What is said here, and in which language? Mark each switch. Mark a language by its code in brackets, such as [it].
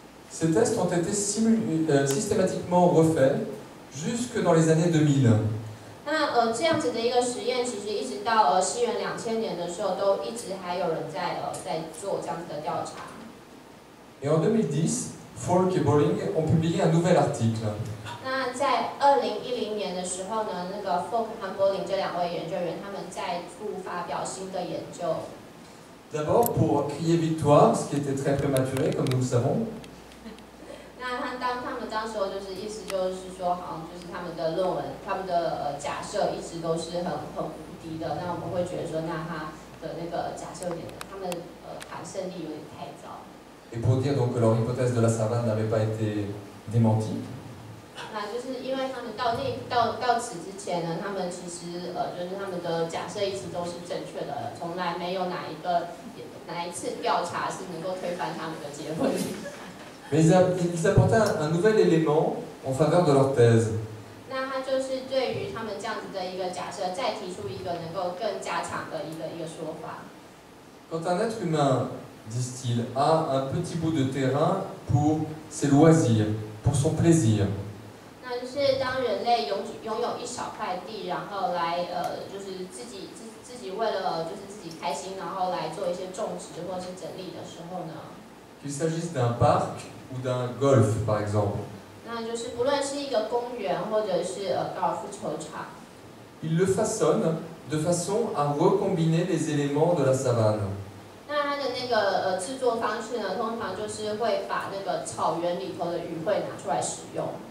[fr] Ces tests ont été systématiquement refaits jusque dans les années 2000. [zh] 那这样子的一个实验，其实一直到西元2000年的时候，都一直还有人在做这样子的调查。 [fr] Et en 2010, Falk et Bolling ont publié un nouvel article. [zh] 那在2010年的时候呢，那个 Falk 和 Bolling 这两位研究员，他们再度发表新的研究。 [fr] D'abord pour crier victoire, ce qui était très prématuré, comme nous le savons. [zh] 那他们当时就是意思就是说，好像就是他们的论文，他们的假设一直都是很无敌的。那我们会觉得说，那他的那个假设有点，他们谈胜利有点太早。 [fr] Et pour dire donc que leur hypothèse de la savane n'avait pas été démentie. [zh] 那就是因为他们到此之前呢，他们其实就是他们的假设一直都是正确的，从来没有哪一次调查是能够推翻他们的结论。 [fr] Mais ils apportaient un nouvel élément en faveur de leur thèse. [zh] 那他就是对于他们这样子的一个假设，再提出一个能够更加强的一个说法。 [fr] Quand un être humain, disent-ils, a un petit bout de terrain pour ses loisirs, pour son plaisir. [zh] 就是当人类拥有一小块地，然后来就是自己为了就是自己开心，然后来做一些种植或是整理的时候呢。 [fr] Qu'il s'agisse d'un parc ou d'un golf, par exemple. [zh] 那就是不论是一个公园或者是高尔夫球场。 [fr] Il le façonne de façon à recombiner les éléments de la savane. [zh] 那它的那个制作方式呢，通常就是会把那个草原里头的语汇拿出来使用。